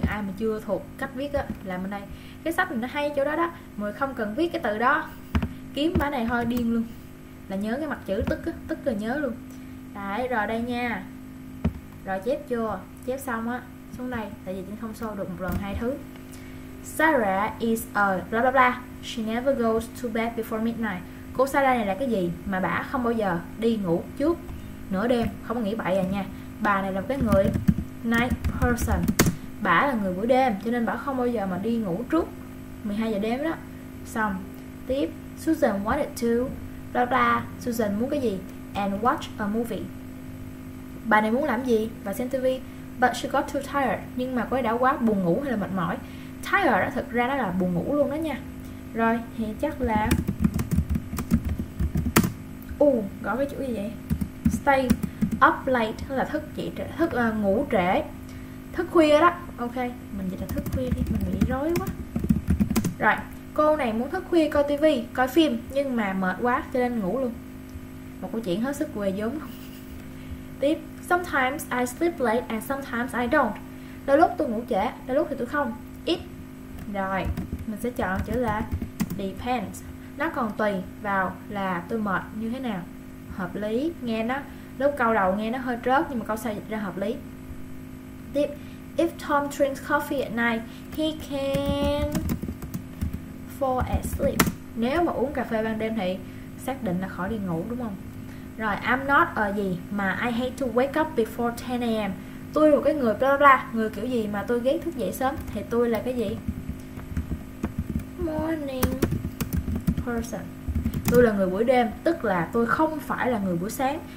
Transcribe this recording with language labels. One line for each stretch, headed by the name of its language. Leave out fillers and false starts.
Vietnamese: Ai mà chưa thuộc cách viết á, làm bên đây. Cái sách mình nó hay chỗ đó đó. Mọi người không cần viết cái từ đó, kiếm bả này thôi điên luôn. Là nhớ cái mặt chữ tức á, tức là nhớ luôn. Đấy, rồi đây nha. Rồi chép chưa? Chép xong á, xuống đây. Tại vì chính không show được một lần hai thứ.
English: Sarah is a bla bla bla. She never goes to bed before midnight.
Vietnamese: Cô Sarah này là cái gì? Mà bả không bao giờ đi ngủ trước nửa đêm. Không có nghĩ bậy à nha. Bà này là một cái người
English: night person.
Vietnamese: Bả là người buổi đêm, cho nên bả không bao giờ mà đi ngủ trước 12 giờ đêm đó. Xong. Tiếp,
English: Susan wanted to bla bla.
Vietnamese: Susan muốn cái gì?
English: And watch a movie.
Vietnamese: Bà này muốn làm gì? Và xem TV.
English: But she got too tired.
Vietnamese: Nhưng mà cô ấy đã quá buồn ngủ hay là mệt mỏi. Tired đó, thật ra đó là buồn ngủ luôn đó nha. Rồi, thì chắc là gõ cái chữ gì vậy?
English: Stay up late
Vietnamese: là thức dậy trễ, thức ngủ trễ, thức khuya đó. Ok, mình dịch là thức khuya đi, mình bị rối quá. Rồi, cô này muốn thức khuya coi tivi, coi phim, nhưng mà mệt quá cho nên ngủ luôn. Một câu chuyện hết sức quê vốn. Tiếp,
English: sometimes I sleep late and sometimes I don't.
Vietnamese: Đôi lúc tôi ngủ trễ, đôi lúc thì tôi không. Ít. Rồi, Mình sẽ chọn chữ là depends. Nó còn tùy vào là tôi mệt như thế nào. Hợp lý, nghe nó lúc câu đầu nghe nó hơi rớt nhưng mà câu sau dịch ra hợp lý.
English: Tiếp, if Tom drinks coffee at night, he can fall asleep.
Vietnamese: Nếu mà uống cà phê ban đêm thì xác định là khỏi đi ngủ đúng không?
English: Rồi, I'm not a
Vietnamese: gì mà
English: I hate to wake up before 10 a.m.
Vietnamese: Tôi là cái người bla bla, người kiểu gì mà tôi ghét thức dậy sớm. Thì tôi là cái gì?
English: Morning person.
Vietnamese: Tôi là người buổi đêm, tức là tôi không phải là người buổi sáng.